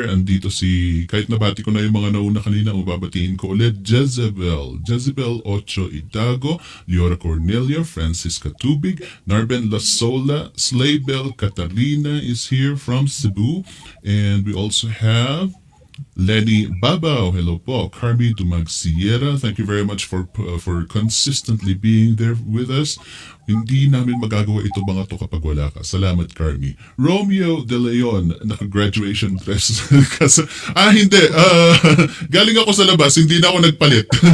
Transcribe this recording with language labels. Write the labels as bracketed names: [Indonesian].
[Filipino] And dito si, kahit nabati ko na yung mga nauna kanina, mababatiin ko ulit, Jezebel Ocho Idago, Liora Cornelia, Francis Katubig, Narben Lasola, Slaybell Catalina is here from Cebu. [English] And we also have Lenny Babao, hello po. Carmi Dumag Sierra, thank you very much for consistently being there with us. [Filipino] Hindi namin magagawa ito mga to kapag wala ka. Salamat, Carmi. Romeo De Leon, naka-graduation dress. hindi. Galing ako sa labas, hindi na ako nagpalit.